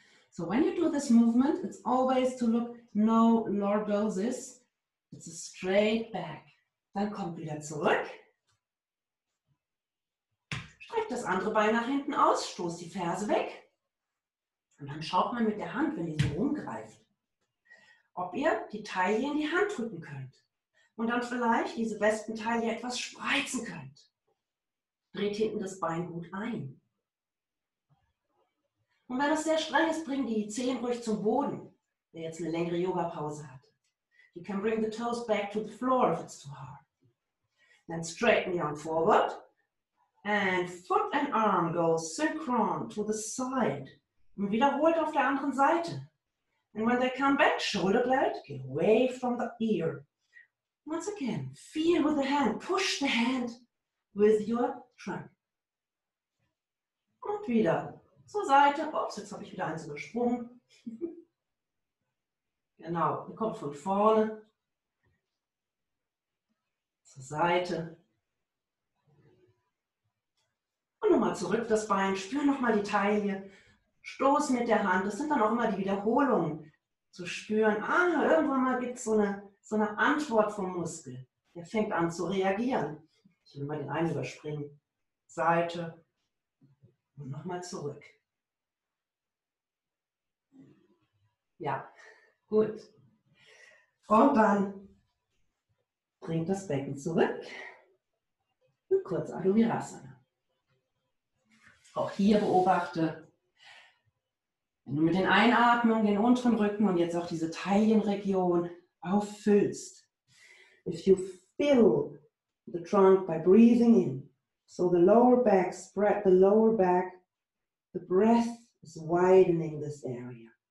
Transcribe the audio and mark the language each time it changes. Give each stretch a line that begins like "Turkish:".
English: So when you do this movement, it's always to look, no lordosis, it's a straight back.
German: Dann kommt wieder zurück. Streckt das andere Bein nach hinten aus, stoßt die Ferse weg. Und dann schaut man mit der Hand, wenn ihr so rumgreift, ob ihr die Taille in die Hand drücken könnt. Und dann vielleicht diese besten Taille etwas spreizen könnt. Dreht hinten das Bein gut ein. Und wenn das sehr streng ist, bring die Zehen ruhig zum Boden, wer jetzt eine längere Yoga-Pause hat.
English: You can bring the toes back to the floor if it's too hard. Then straighten your arm forward. And foot and arm go synchron to the side.
German: Und wiederholt auf der anderen Seite.
English: And when they come back, shoulder blade, get away from the ear. Once again, feel with the hand, push the hand with your trunk.
German: Und wieder zur Seite. Ups, jetzt habe ich wieder eins übersprungen. Genau, ihr kommt von vorne zur Seite. Und nochmal zurück das Bein, spür nochmal die Taille. Stoß mit der Hand, das sind dann auch immer die Wiederholungen zu spüren. Ah, irgendwann mal gibt es so eine Antwort vom Muskel. Der fängt an zu reagieren. Ich will mal den einen überspringen. Seite und nochmal zurück. Ja, gut. Und dann bringt das Becken zurück. Und kurz Adho-Mittasana. Auch hier beobachte, wenn du mit den Einatmungen den unteren Rücken und jetzt auch diese Taillenregion auffüllst.
English: If you fill the trunk by breathing in, so the lower back, spread the lower back, the breath is widening this area.